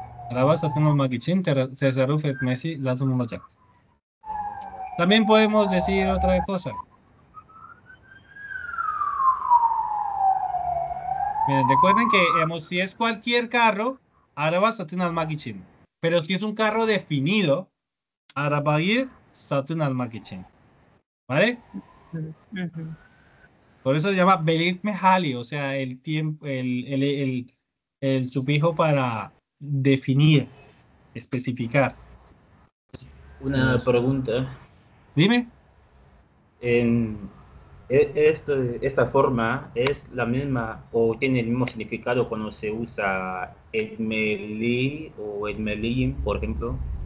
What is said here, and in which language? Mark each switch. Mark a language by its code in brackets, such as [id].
[tr] Araba satın almak için tesarruf etmesi lazım olacak. [es] También podemos decir otra cosa. Miren, recuerden que si es cualquier carro, [tr] araba satın almak için. [es] Pero si es un carro definido, [tr] arabayı satın almak için. [es] ¿Vale? Por eso se llama belirtme hali, o sea, el tiempo, el sufijo para definir, especificar. Una Entonces, pregunta. dime. ¿En esta forma es la misma o tiene el mismo significado cuando se usa Edmeli o Edmelín, por ejemplo?